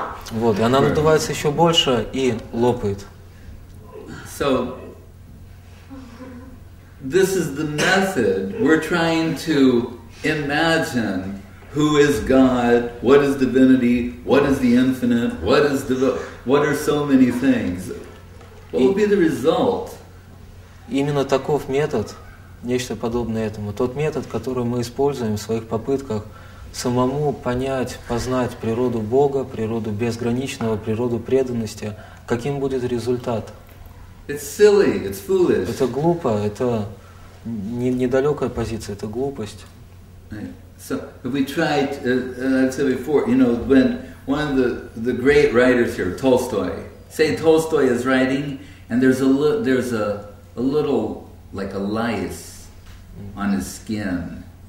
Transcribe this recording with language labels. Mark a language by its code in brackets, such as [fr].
[ru] Вот, и она надувается еще больше и лопает. [en] So this is the method we're trying to imagine. Who is God? What is divinity? What is the infinite? What is what are so many things? What will be the result? [ru] Именно таков метод, нечто подобное этому. Тот метод, который мы используем в своих попытках самому понять, познать природу Бога, природу безграничного, природу преданности. Каким будет результат? [en] It's silly, it's foolish. [ru] Это глупо, это недалекая позиция, это глупость. [en] Right. So, if we tried, I've said before, you know, when one of the great writers here, Tolstoy, say Tolstoy is writing, and there's a little like a lice on his skin.